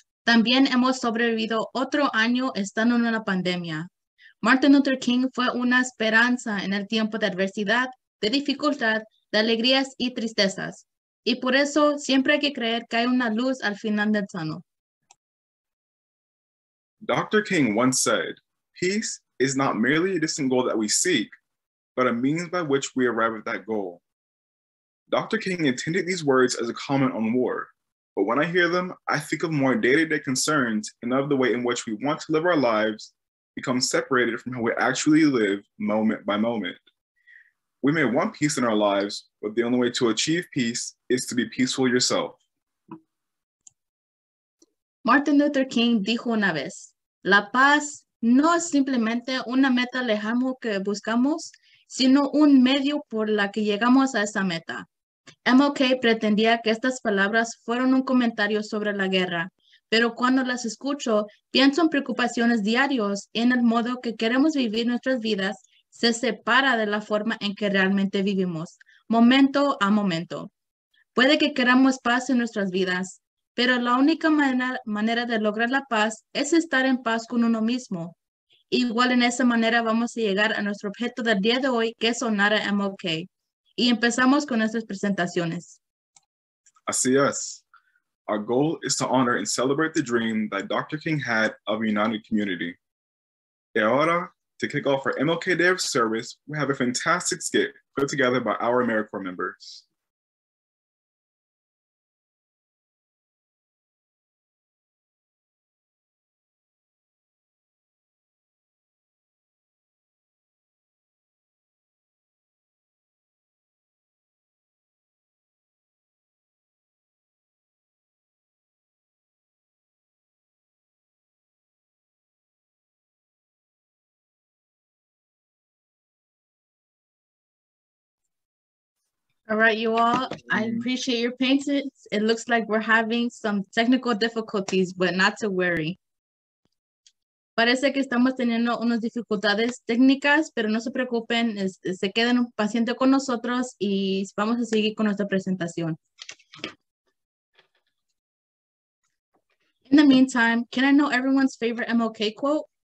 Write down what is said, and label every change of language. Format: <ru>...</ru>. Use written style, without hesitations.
<es>También hemos sobrevivido otro año estando en una pandemia. Martin Luther King fue una esperanza en el tiempo de adversidad, de dificultad, de alegrías y tristezas. Y por eso, siempre hay que creer que hay una luz al final del tunnel.</es> <en>Dr. King once said, peace is not merely a distant goal that we seek, but a means by which we arrive at that goal. Dr. King intended these words as a comment on war, but when I hear them, I think of more day-to-day concerns and of the way in which we want to live our lives become separated from how we actually live moment by moment. We may want peace in our lives, but the only way to achieve peace is to be peaceful yourself.</en> <es>Martin Luther King dijo una vez, la paz no es simplemente una meta lejana que buscamos, sino un medio por la que llegamos a esa meta. MLK pretendía que estas palabras fueron un comentario sobre la guerra, pero cuando las escucho, pienso en preocupaciones diarias y en el modo que queremos vivir nuestras vidas se separa de la forma en que realmente vivimos, momento a momento. Puede que queramos paz en nuestras vidas, pero la única manera de lograr la paz es estar en paz con uno mismo. Igual en esa manera vamos a llegar a nuestro objeto del día de hoy, que es honrar a MLK. Y empezamos con nuestras presentaciones. Así es.</es> <en>Our goal is to honor and celebrate the dream that Dr. King had of a united community.</en> <es>Y ahora,</es> <en>to kick off our MLK Day of Service, we have a fantastic skit put together by our AmeriCorps members. All right, you all, I appreciate your patience. It looks like we're having some technical difficulties, but not to worry.</en> <es>Parece que estamos teniendo unas dificultades técnicas, pero no se preocupen, se queden pacientes con nosotros y vamos a seguir con nuestra presentación.</es> <en>In the meantime, can I know everyone's favorite MLK quote?</en>